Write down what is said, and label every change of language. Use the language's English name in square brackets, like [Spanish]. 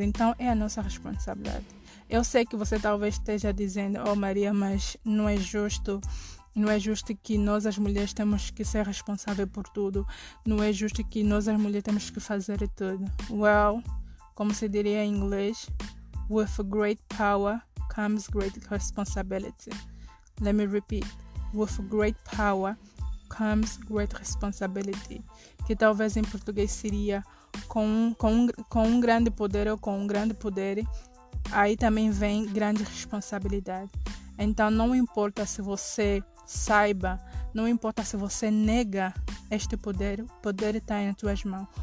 [Portuguese] Então é a nossa responsabilidade. Eu sei que você talvez esteja dizendo: "Oh, Maria, mas não é justo. Não é justo que nós as mulheres temos que ser responsáveis por tudo. Não é justo que nós as mulheres temos que fazer tudo." Well, como se diria em inglês, [English] with great power comes great responsibility. Let me repeat. With great power comes great responsibility. [Portuguese] Que talvez em português seria com um grande poder, ou com um grande poder, aí também vem grande responsabilidade. Então não importa se você saiba, não importa se você nega este poder, o poder está em suas mãos.